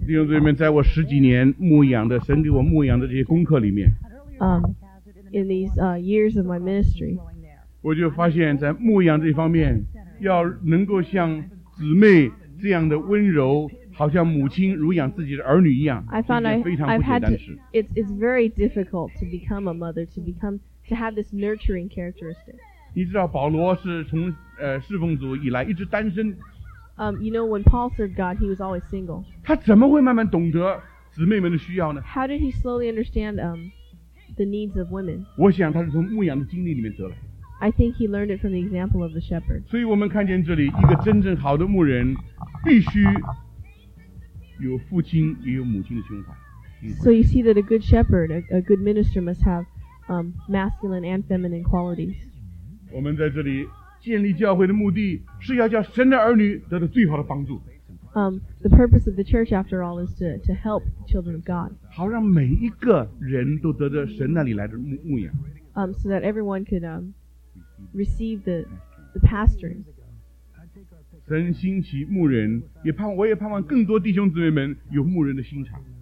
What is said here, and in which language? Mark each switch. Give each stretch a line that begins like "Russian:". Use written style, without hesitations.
Chinese: 弟兄姊妹们，在我十几年牧养的神给我牧养的这些功课里面，
English: in these years of my ministry,
Chinese: 我就发现，在牧养这方面，要能够像姊妹。这样的温柔，好像母亲乳养自己的儿女一样，是一件非常不简单的事。
English: It's very difficult to become a mother, to have this nurturing characteristic.
Chinese: 你知道保罗是从侍奉主以来一直单身。
English: You know, when Paul served God, he was always single.
Chinese: 他怎么会慢慢懂得姊妹们的需要呢？
English: How did he slowly understand the needs of women?
Chinese: 我想他是从牧养的经历里面得来。
English: I think he learned it from the example of the shepherd.
Chinese: 所以我们看见这里一个真正好的牧人必须有父亲也有母亲的胸怀。
English: So you see that a good shepherd, a good minister must have masculine and feminine qualities.
Chinese: 我们在这里建立教会的目的是要叫神的儿女得到最好的帮助。
English: The purpose of the church, after all, is to help children of God.
Chinese: 好让每一个人都得到神那里来的牧养。
English: So that everyone could receive the pastoring.
Chinese: 神兴起牧人，我也盼望更多弟兄姊妹们有牧人的心肠。